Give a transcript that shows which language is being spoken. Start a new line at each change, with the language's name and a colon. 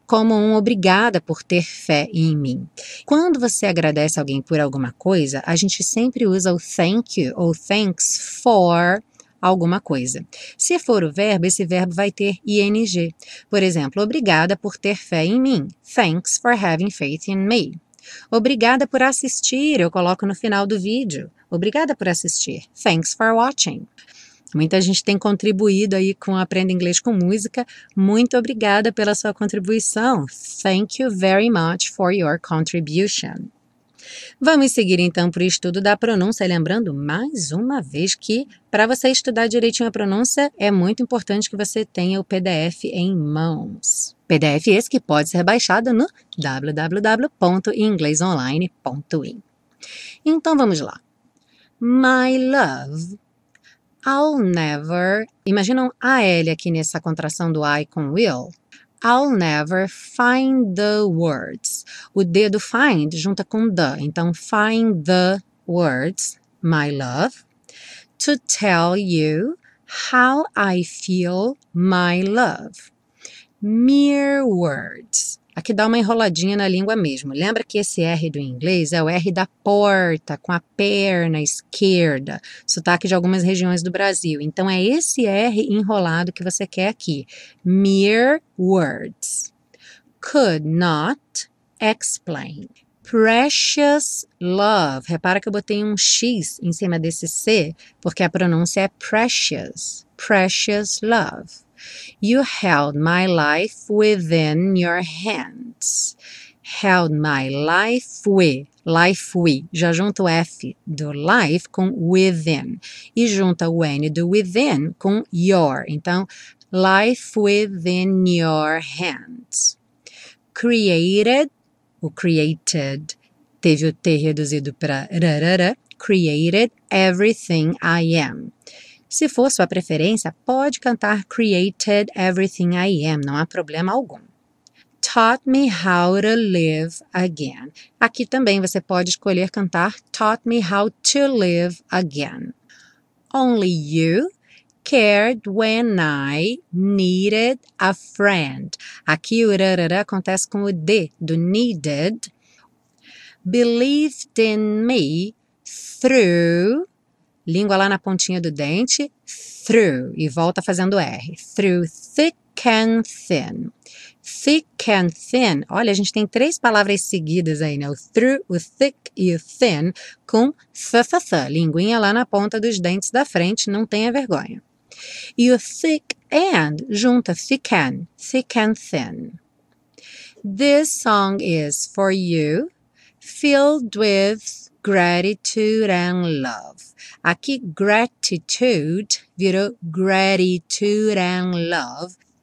Portuguese: Como um obrigada por ter fé em mim? Quando você agradece alguém por alguma coisa, a gente sempre usa o
English: thank you
Portuguese: ou
English: thanks for
Portuguese: alguma coisa. Se for o verbo, esse verbo vai ter ing. Por exemplo, obrigada por ter fé em mim.
English: Thanks for having faith in me.
Portuguese: Obrigada por assistir, eu coloco no final do vídeo. Obrigada por assistir.
English: Thanks for watching.
Portuguese: Muita gente tem contribuído aí com Aprenda Inglês com Música. Muito obrigada pela sua contribuição.
English: Thank you very much for your contribution.
Portuguese: Vamos seguir então para o estudo da pronúncia, lembrando mais uma vez que para você estudar direitinho a pronúncia é muito importante que você tenha o PDF em mãos. PDF esse que pode ser baixado no www.inglesonline.in. Então vamos lá.
English: My love, I'll never,
Portuguese: imagina um AL aqui nessa contração do I com will.
English: I'll never find the words.
Portuguese: O dedo
English: find
Portuguese: junta com
English: the. Então, find the words, my love, to tell you how I feel, my love. Mere words.
Portuguese: Aqui dá uma enroladinha na língua mesmo. Lembra que esse R do inglês é o R da porta, com a perna esquerda. Sotaque de algumas regiões do Brasil. Então, é esse R enrolado que você quer aqui.
English: Mere words. Could not explain. Precious love.
Portuguese: Repara que eu botei um X em cima desse C, porque a pronúncia é precious.
English: Precious love. You held my life within your hands. Held my life with. Life with.
Portuguese: Já junta o F do life com within. E junta o N do within com your. Então, life within your hands. Created. O created teve o T reduzido para rarara.
English: Created everything I am.
Portuguese: Se for sua preferência, pode cantar
English: Created Everything I Am,
Portuguese: não há problema algum.
English: Taught me how to live again.
Portuguese: Aqui também você pode escolher cantar
English: Taught me how to live again. Only you cared when I needed a friend.
Portuguese: Aqui o rarara acontece com o D do needed.
English: Believed in me through...
Portuguese: Língua lá na pontinha do dente, through, e volta fazendo R,
English: through thick and thin. Thick and thin,
Portuguese: olha, a gente tem três palavras seguidas aí, né? O through, o thick e o thin, com th, linguinha lá na ponta dos dentes da frente, não tenha vergonha.
English: E o thick and junta thick and thin. This song is for you, filled with gratitude and love.
Portuguese: Aqui, gratitude virou
English: gratitude and love.